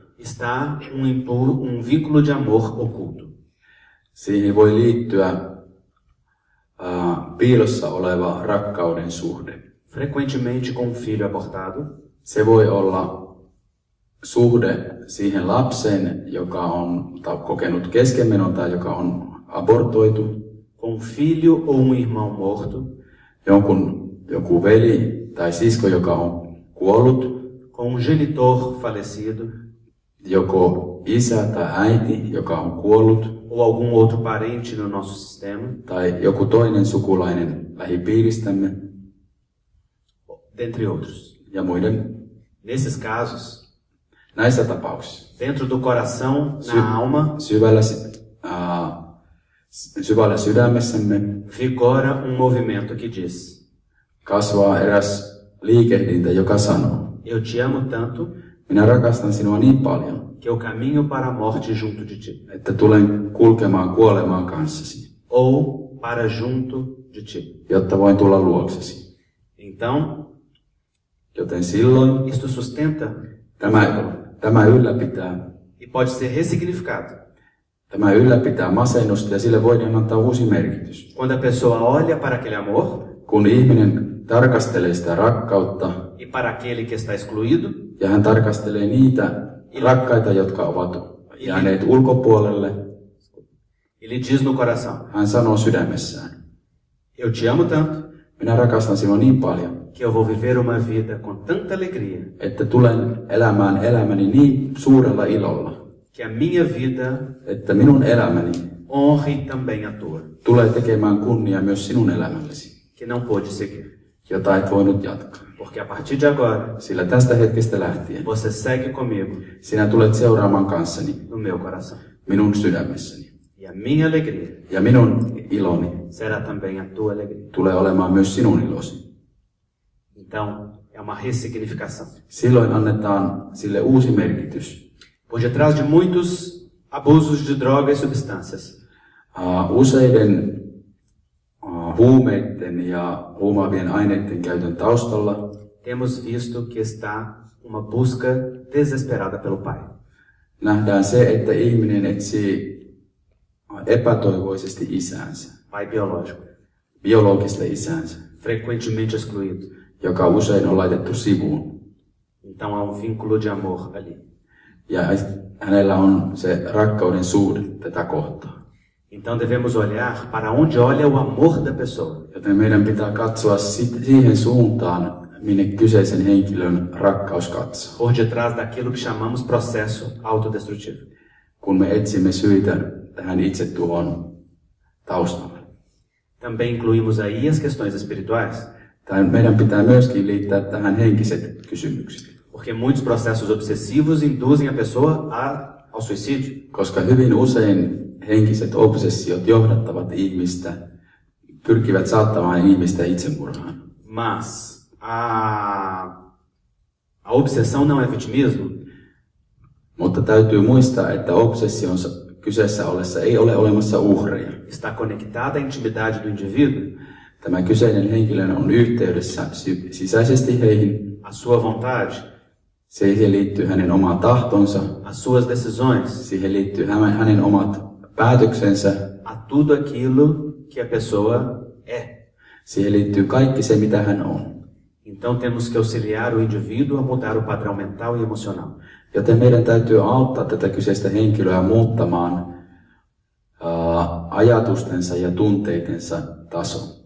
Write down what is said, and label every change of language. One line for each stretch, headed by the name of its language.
Portuguese: Está um vínculo de amor oculto.
Finnish: Siihen voi liittyä piilossa oleva rakkauden suhde.
Portuguese: Frequentemente com um filho abortado.
Finnish: Se voi olla suhde siihen lapseen, joka on kokenut keskenmenon tai joka on abortoitu.
Portuguese: Com um filho ou um irmão morto.
Finnish: Joku veli tai sisko, joka on kuollut.
Portuguese: Com um genitor falecido.
Finnish: Joko isä tai äiti, joka on kuollut.
Portuguese: Ou algum outro parente no nosso sistema.
Finnish: Tai joku toinen sukulainen lähipiiristämme.
Portuguese: Dentre outros.
Finnish: Ja muiden.
Portuguese: Nesses casos.
Finnish: Näissä tapauksissa.
Portuguese: Dentro do coração, na alma.
Finnish: Syvällä sydämessämme
Portuguese: vigora um movimento que diz.
Finnish: Kasvaa eräs liikehdintä, joka sanoo.
Portuguese: Eu te amo tanto.
Finnish: Minä rakastan sinua niin paljon.
Portuguese: Que eu caminho para a morte junto de ti.
Finnish: Että tulen kulkemaan kuolemaan kanssasi.
Portuguese: Ou para junto de ti.
Finnish: Jotta voin tulla luoksesi.
Portuguese: Então.
Finnish: Joten silloin.
Portuguese: Isto sustenta.
Finnish: Tämä ylläpitää.
Portuguese: E pode ser ressignificado.
Finnish: Tämä ylläpitää masennusta ja sille voidaan antaa uusi merkitys.
Portuguese: Quando a pessoa olha para aquele amor,
Finnish: kun ihminen tarkastelee sitä rakkautta,
Portuguese: e para aquele que está excluído,
Finnish: ja hän tarkastelee niitä rakkaita, jotka ovat jääneet ulkopuolelle,
Portuguese: ele diz no coração,
Finnish: hän sanoo sydämessään,
Portuguese: eu te amo tanto,
Finnish: minä rakastan sinua niin paljon,
Portuguese: que eu vou viver uma vida com tanta alegria,
Finnish: että tulen elämään elämäni niin suurella ilolla,
Portuguese: que a minha vida,
Finnish: että minun elämäni,
Portuguese: honre também a tua.
Finnish: Tulee tekemään kunnia myös sinun elämällesi.
Portuguese: Que não pode seguir.
Finnish: Jota et voinut jatkaa.
Portuguese: Porque a partir de agora,
Finnish: sillä tästä hetkestä lähtien,
Portuguese: você segue comigo.
Finnish: Sinä tulet seuraamaan kanssani.
Portuguese: No meu coração.
Finnish: Minun sydämessäni.
Portuguese: E a minha alegria.
Finnish: Ja minun iloni.
Portuguese: Será também a tua alegria.
Finnish: Tulee olemaan myös sinun ilosi.
Portuguese: Então, é uma ressignificação.
Finnish: Silloin annetaan sille uusi merkitys.
Portuguese: Por detrás de muitos abusos de drogas e substâncias.
Finnish: Useiden huumeiden ja huumaavien aineiden käytön taustalla.
Portuguese: Temos visto que está uma busca desesperada pelo pai.
Finnish: Nähdään se, että ihminen etsii epätoivoisesti isäänsä.
Portuguese: Pai biológico.
Finnish: Biologista isäänsä.
Portuguese: Frequentemente excluído.
Finnish: Joka usein on laitettu sivuun.
Portuguese: Então há um vínculo de amor ali.
Finnish: Ja hänellä on se rakkauden suhde tätä kohtaa.
Portuguese: Então devemos olhar para onde olha o amor da pessoa.
Finnish: Joten meidän pitää katsoa siihen suuntaan, minne kyseisen henkilön rakkaus katsoo.
Portuguese: Por detrás daquilo que chamamos processo autodestrutivo.
Finnish: Kun me etsimme syitä tähän itsetuhon taustalle.
Portuguese: Também incluímos aí as questões espirituais.
Finnish: Tai meidän pitää myöskin liittää tähän henkiset kysymykset.
Portuguese: Porque muitos processos obsessivos induzem a pessoa ao suicídio.
Finnish: Koska hyvin usein henkiset obsessiot johdattavat ihmistä, pyrkivät saattamaan ihmistä itsemurhaan.
Portuguese: Mas a obsessão não é vitimismo?
Finnish: Mutta täytyy muistaa, että obsessio on kyseessä ollessa ei ole olemassa uhreja.
Portuguese: Está conectada à intimidade do indivíduo?
Finnish: Tämä kyseinen henkilö on yhteydessä sisäisesti heihin.
Portuguese: A sua vontade?
Finnish: Siihen liittyy hänen oma tahtonsa.
Portuguese: A suas decisões.
Finnish: Siihen liittyy hänen omat päätöksensä.
Portuguese: A tudo aquilo que a pessoa é.
Finnish: Siihen liittyy kaikki se, mitä hän on.
Portuguese: Então temos que auxiliar o indivíduo a mudar o padrão mental e emocional.
Finnish: Joten meidän täytyy auttaa tätä kyseistä henkilöä muuttamaan ajatustensa ja tunteidensa taso.